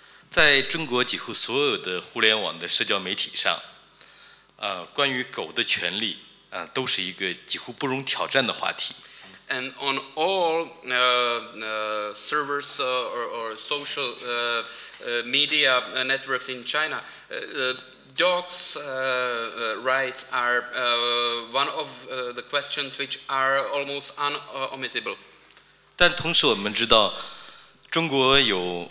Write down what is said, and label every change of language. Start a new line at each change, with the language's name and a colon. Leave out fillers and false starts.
Chinese: 在中国几乎所有的互联网的社交媒体上, 关于狗的权利, 都是一个几乎不容挑战的话题。
English: And on all servers or social media networks in China, dogs' rights are one of the questions which are almost unomitable.
Chinese: 但同时我们知道中国有,